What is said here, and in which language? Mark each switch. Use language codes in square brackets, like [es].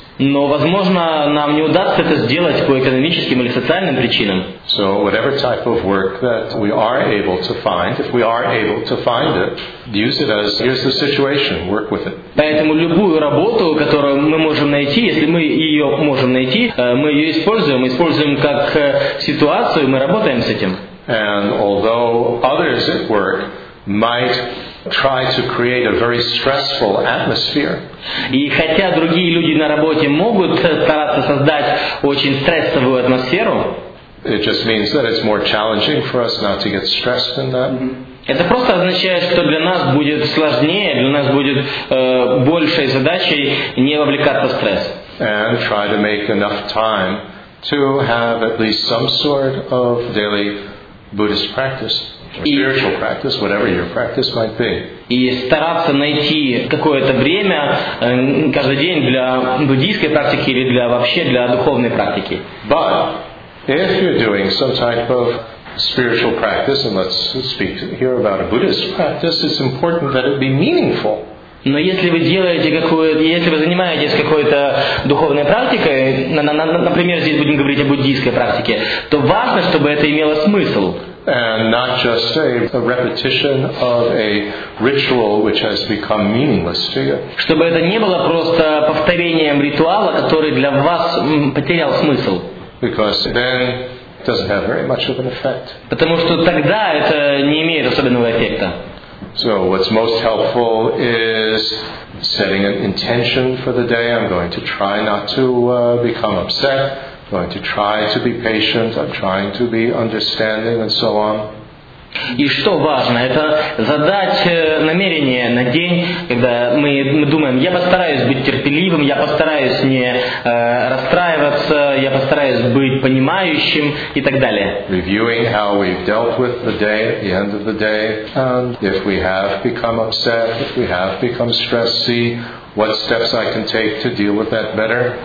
[ru] Но, возможно, нам не удастся это сделать по экономическим или социальным причинам. [en] So whatever type of work that we are able to find, if we are able to find it, use it as, here's the situation, work with it. [ru] Поэтому любую работу, которую мы можем найти, если мы ее можем найти, мы ее используем как ситуацию, мы работаем с этим. [en] And although others at work might try to create a very stressful atmosphere. [ru] И хотя другие люди на работе могут стараться создать очень стрессовую атмосферу, [en] it just means that it's more challenging for us not to get stressed in that. Mm-hmm. [ru] Это просто означает, что для нас будет сложнее, для нас будет большей задачей не вовлекаться в стресс. [en] And try to make enough time to have at least some sort of daily Buddhist practice. Spiritual practice, whatever your practice might be. [ru] И стараться найти какое-то время каждый день для буддийской практики или для вообще для духовной практики. [en] But if you're doing some type of spiritual practice, and let's speak here about a Buddhist practice, it's important that it be meaningful. [ru] Но если вы делаете если вы занимаетесь какой-то духовной практикой, например, здесь будем говорить о буддийской практике, то важно, чтобы это имело смысл. [en] And not just a repetition of a ritual which has become meaningless to you. [ru] Чтобы это не было просто повторением ритуала, который для вас потерял смысл. [en] Because then it doesn't have very much of an effect. [ru] Потому что тогда это не имеет особенного эффекта. [en] So what's most helpful is setting an intention for the day. I'm going to try not to become upset. I'm going to try to be patient, I'm trying to be understanding, and so on. [ru] И что важно, это задать намерение на день, когда мы думаем, я постараюсь быть терпеливым, я постараюсь не расстраиваться, я постараюсь быть понимающим и так далее. [en] Reviewing how we've dealt with the day at the end of the day, and if we have become upset, if we have become stressy, what steps I can take to deal with that better?